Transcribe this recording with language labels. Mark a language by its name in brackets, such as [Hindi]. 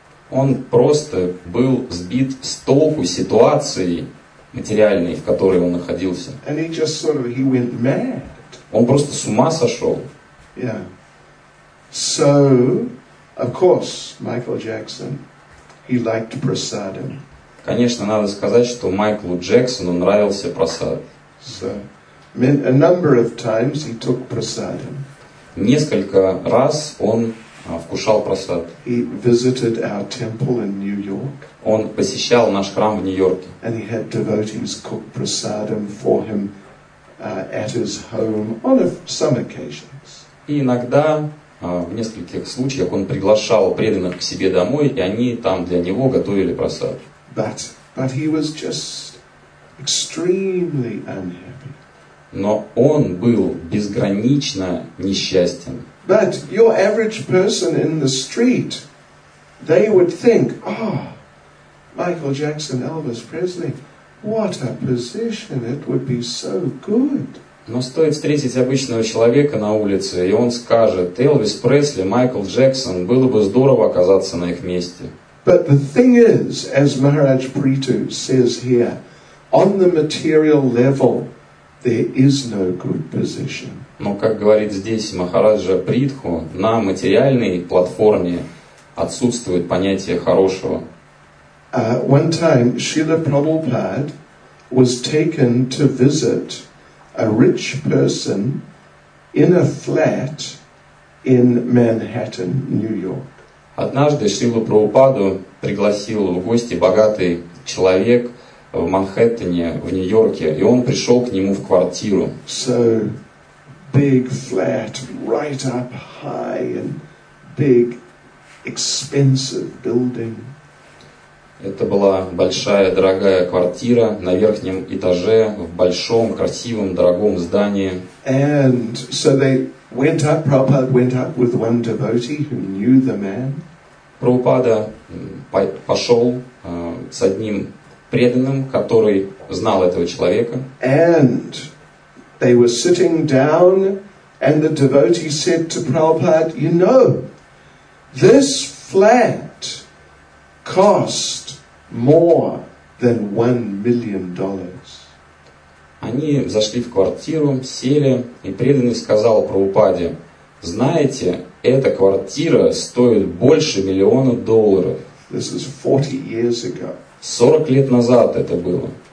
[Russian] Он просто был сбит с толку ситуацией материальной, в которой он находился. [English] And he just sort of, he went mad. [Russian] Он просто с ума сошел. [English] Yeah. So, of course, Michael Jackson, he liked prasadam. [Russian] Конечно, надо сказать, что Майклу Джексону нравился прасад. [English] So, a number of times he took prasadam. [Russian] Несколько раз он вкушал прасад. [English] He visited our temple in New York. [Russian] Он посещал наш храм в Нью-Йорке. [English] And he had devotees cook prasadam for him at his home on some occasions. [Russian] И иногда, в нескольких случаях, он приглашал преданных к себе домой, и они там для него готовили прасад. [English] But he was just extremely unhappy. [Russian] Но он был безгранично несчастен. [English] But your average person in the street, they would think, oh, Michael Jackson, Elvis Presley, what a position, it would be so good. [Russian] Но стоит встретить обычного человека на улице, и он скажет, Элвис Пресли, Майкл Джексон, было бы здорово оказаться на их месте. [English] But the thing is, as Maharaj Prithu says here, on the material level, there is no good position. [Russian] Но, как говорит здесь Махараджа Притху, на материальной платформе отсутствует понятие хорошего. [English] One time, Srila Prabhupada was taken to visit a rich person in a flat in Manhattan, New York. [Russian] Однажды Шрилу Прабхупаду пригласил в гости богатый человек в Манхэттене, в Нью-Йорке, и он пришел к нему в квартиру. [English] So, big flat, right up high, and big, expensive building. [Russian] Это была большая, дорогая квартира на верхнем этаже в большом, красивом, дорогом здании. [English] And so they went up, Prabhupada went up with one devotee who knew the man. [Russian] Прабхупада пошел с одним преданным, который знал этого человека. [English] And they were sitting down, and the devotee said to Prabhupada, you know, this flat cost more than $1 million. [Russian] Они зашли в квартиру, сели, и преданный сказал Прабхупаде, знаете, эта квартира стоит больше миллиона долларов. [English] This is 40 years ago. [Russian] 40 лет назад это было.